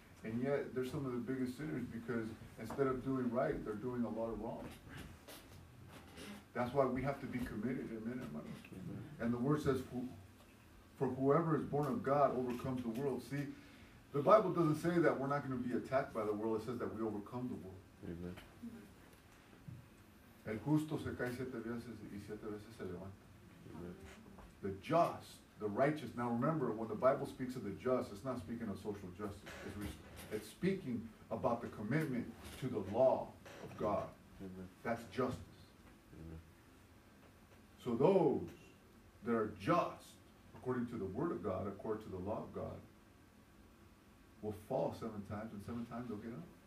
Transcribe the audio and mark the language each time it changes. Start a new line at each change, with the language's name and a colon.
English: And yet, they're some of the biggest sinners because instead of doing right, they're doing a lot of wrong. That's why we have to be committed. Amen, hermanos. Amen. And the word says, for whoever is born of God overcomes the world. See, the Bible doesn't say that we're not going to be attacked by the world. It says that we overcome the world. Amen.
Spanish: El justo se cae siete veces y siete veces se levanta.
English: Amen. The just, the righteous. Now remember, when the Bible speaks of the just, it's not speaking of social justice. It's speaking about the commitment to the law of God. Amen. That's justice. Amen. So those that are just, according to the word of God, according to the law of God, will fall seven times, and seven times they'll get up.